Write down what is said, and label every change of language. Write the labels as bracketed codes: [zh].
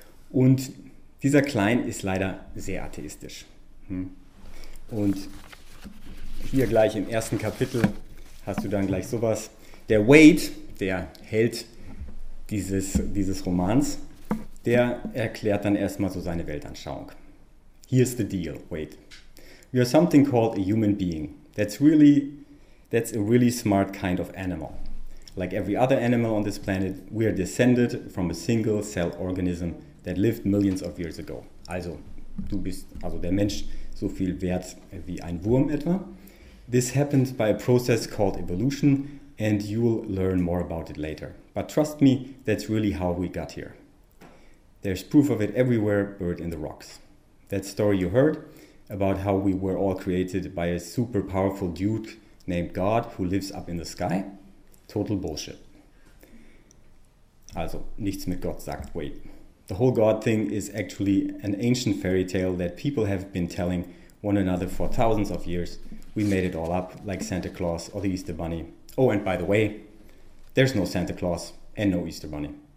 [de] Und dieser Klein ist leider sehr atheistisch. Und hier gleich im ersten Kapitel hast du dann gleich sowas. Der Wade, der Held dieses Romans, der erklärt dann erstmal so seine Weltanschauung. [en] Here's the deal, Wade. You're something called a human being. That's a really smart kind of animal. Like every other animal on this planet, we are descended from a single cell organism that lived millions of years ago. [de] Also, du bist also der Mensch so viel wert wie ein Wurm etwa. [en] This happens by a process called evolution, and you'll learn more about it later. But trust me, that's really how we got here. There's proof of it everywhere, buried in the rocks. That story you heard about how we were all created by a super powerful dude named God who lives up in the sky? Total bullshit. [de] Also, nichts mit Gott sagt, wait. [en] The whole God thing is actually an ancient fairy tale that people have been telling one another for thousands of years. We made it all up, like Santa Claus or the Easter Bunny. Oh, and by the way, there's no Santa Claus and no Easter Bunny.